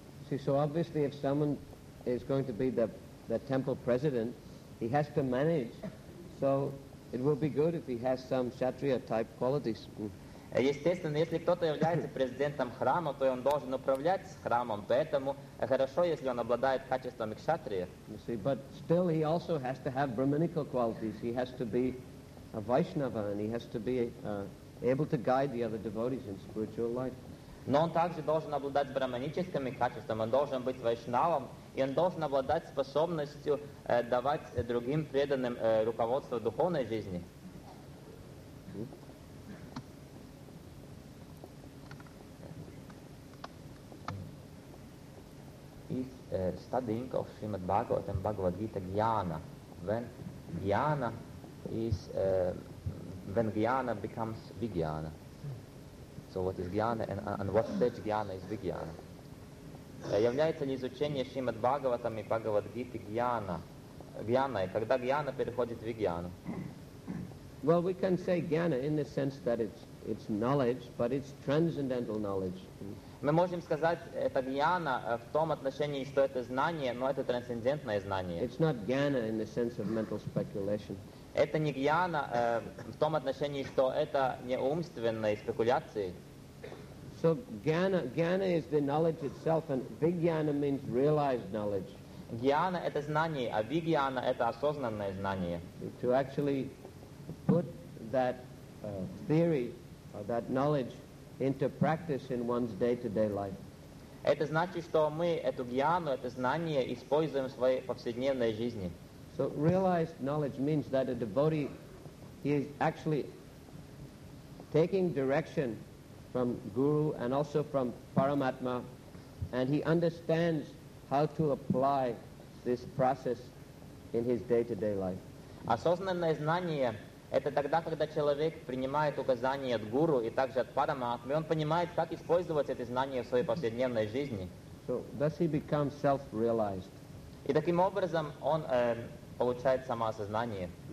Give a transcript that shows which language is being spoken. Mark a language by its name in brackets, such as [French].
[English] See, so obviously, if someone is going to be the temple president, he has to manage. So it will be good if he has some kshatriya type qualities. [Russian] Естественно, если кто-то является президентом храма, то он должен управлять храмом. Поэтому хорошо, если он обладает качествами кшатрия. [English] You see, but still he also has to have brahminical qualities. He has to be a Vaishnava, and he has to be able to guide the other devotees in spiritual life. [Russian] Но он также должен обладать брахманическими качествами. Он должен быть вайшнавом, и он должен обладать способностью давать другим преданным руководство духовной жизни. [English] Studying of Srimad Bhagavatam, Bhagavad Gita, Jnana. When Jnana becomes Vijnana. So what is Jnana and what stage Jnana is Vijnana? [Russian] Является ли изучение Шримад Бхагаватам и Бхагавад Гиты Гьяна, и когда Гьяна переходит в Вигьяну? [English] Well, we can say Gyana in the sense that it's knowledge, but it's transcendental knowledge. [Russian] Мы можем сказать, это Гьяна в том отношении, что это знание, но это трансцендентное знание. [English] It's not Gyana in the sense of mental speculation. [Russian] Это не Гьяна в том отношении, что это не умственные спекуляции. [English] So Gyana is the knowledge itself, and Vijnana means realized knowledge. [Russian] Gyana — это знание, а Vijnana — это осознанное знание. [English] To actually put that theory, or that knowledge, into practice in one's day-to-day life. [Russian] Это значит, что мы эту Гьяну, это знание, используем в своей повседневной жизни. [English] So realized knowledge means that a devotee is actually taking direction from Guru and also from Paramatma, and he understands how to apply this process in his day-to-day life. [Russian] Осознанное знание — это тогда, когда человек принимает указания от Гуру и также от Параматмы, он понимает, как использовать это знание в своей повседневной жизни. [English] So thus he becomes self-realized. [Russian] И таким образом он получает самоосознание.